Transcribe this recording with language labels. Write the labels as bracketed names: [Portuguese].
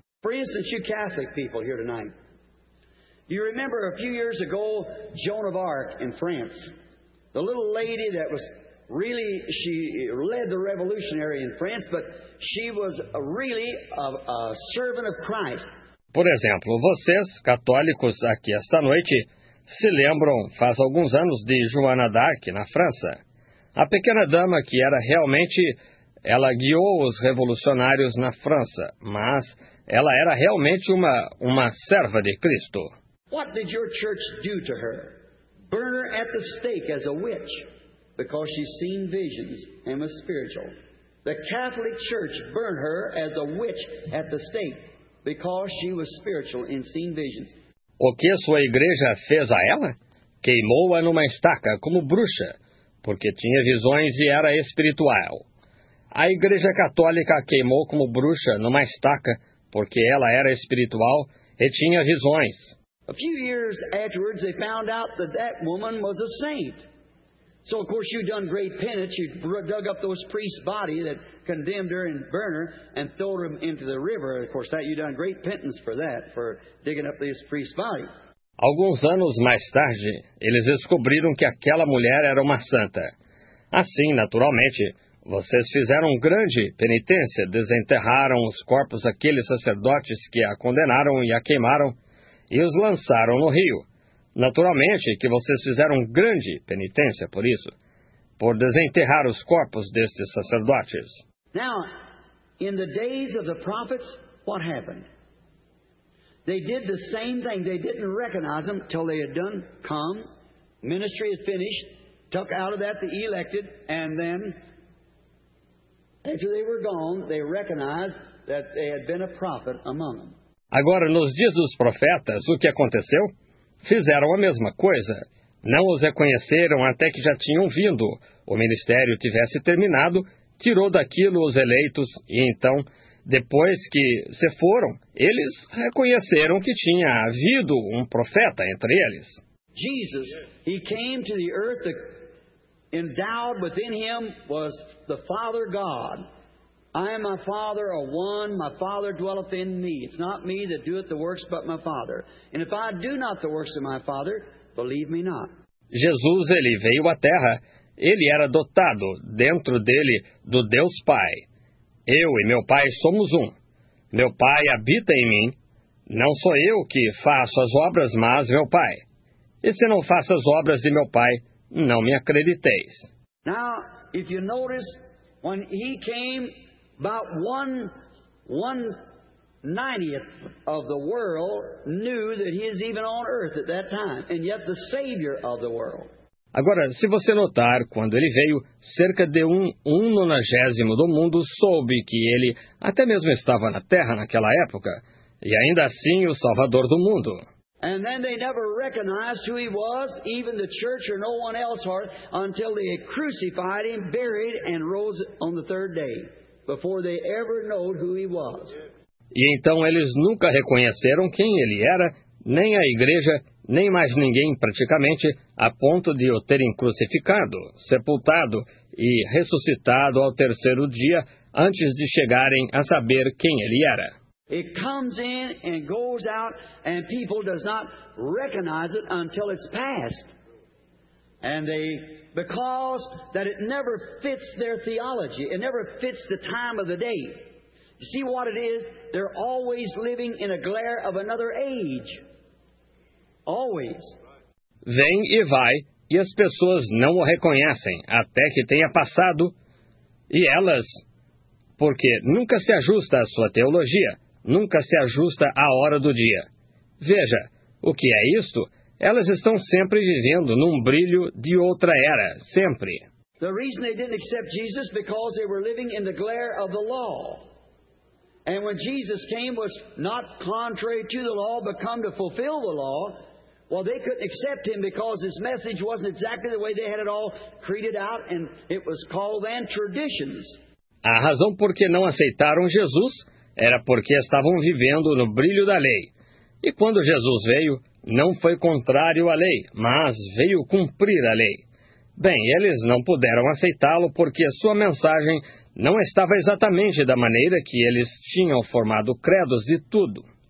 [Portuguese] Por exemplo, você [English] Catholic people here tonight. You remember a few years ago, Joan of Arc in France, the little lady that was really, she led the revolutionary in France, but she was really a servant of Christ. [Portuguese] Por exemplo, vocês, católicos, aqui esta noite, se lembram, faz alguns anos, de Joana d'Arc, na França. A pequena dama que era realmente, ela guiou os revolucionários na França, mas ela era realmente uma serva de Cristo. [English] What did your church do to her? Burn her at the stake as a witch? Because she's seen visions and was spiritual. The Catholic Church burned her as a witch at the stake because she was spiritual and seen visions. [Portuguese] O que sua igreja fez a ela? Queimou-a numa estaca como bruxa, porque tinha visões e era espiritual. A igreja católica a queimou como bruxa numa estaca porque ela era espiritual e tinha visões. [English] A few years afterwards, they found out that that woman was a saint. So, of course, you've done great penance. You dug up those priests' body that condemned her and burned her and threw them into the river. Of course, that you've done great penance for that, for digging up this priest's body. [Portuguese] Alguns anos mais tarde, eles descobriram que aquela mulher era uma santa. Assim, naturalmente, vocês fizeram grande penitência, desenterraram os corpos daqueles sacerdotes que a condenaram e a queimaram e os lançaram no rio. Naturalmente que vocês fizeram grande penitência por isso, por desenterrar os corpos destes sacerdotes. [English] Now, in the days of the prophets, what happened? They did the same thing. They didn't recognize them till they had done, come, ministry had finished, took out of that the elected, and then, after they were gone, they recognized that they had been a prophet among them. [Portuguese] Agora, nos dias dos profetas, o que aconteceu? Fizeram a mesma coisa. Não os reconheceram até que já tinham vindo. O ministério tivesse terminado, tirou daquilo os eleitos, e então, depois que se foram, eles reconheceram que tinha havido um profeta entre eles. [English] Jesus, he came to the earth, endowed within him was the Father God. I and my Father are one, my Father dwelleth in me. It's not me that doeth the works, but my Father. And if I do not the works of my Father, believe me not. [Portuguese] Jesus, ele veio à terra, ele era dotado dentro dele do Deus Pai. Eu e meu Pai somos um. Meu Pai habita em mim. Não sou eu que faço as obras, mas meu Pai. E se não faço as obras de meu Pai, não me acrediteis. [English] Now, if you notice, when he came, about 1/90th of the world knew that he is even on earth at that time, and yet the Savior of the world. [Portuguese] Agora, se você notar, quando ele veio, cerca de 1/90 do mundo soube que ele até mesmo estava na Terra naquela época, e ainda assim o Salvador do mundo. [English] And then they never recognized who he was, even the church or no one else, until they had crucified him, buried, and rose on the third day. Before they ever knew who he was. [Portuguese] E então eles nunca reconheceram quem ele era, nem a igreja, nem mais ninguém praticamente, a ponto de o terem crucificado, sepultado e ressuscitado ao terceiro dia, antes de chegarem a saber quem ele era. [English] It comes in and goes out, and people does not recognize it until it's passed. And they, because that it never fits their theology, it never fits the time of the day. You see what it is? They're always living in a glare of another age. Always. [Portuguese] Vem e vai, e as pessoas não o reconhecem até que tenha passado. E elas, porque nunca se ajusta à sua teologia, nunca se ajusta à hora do dia. Veja, o que é isto? Elas estão sempre vivendo num brilho de outra era, sempre. [English] The reason they didn't accept Jesus because they were living in the glare of the law. And when Jesus came was not contrary to the law, but come to fulfill the law. Well, they couldn't accept him because his message wasn't exactly the way they had it all created out, and it was called then traditions. [Portuguese] A razão por que não aceitaram Jesus era porque estavam vivendo no brilho da lei. E quando Jesus veio, não foi contrário à lei, mas veio cumprir a lei. Bem, eles não puderam aceitá-lo porque sua mensagem não estava exatamente da maneira que eles tinham formado credos de tudo.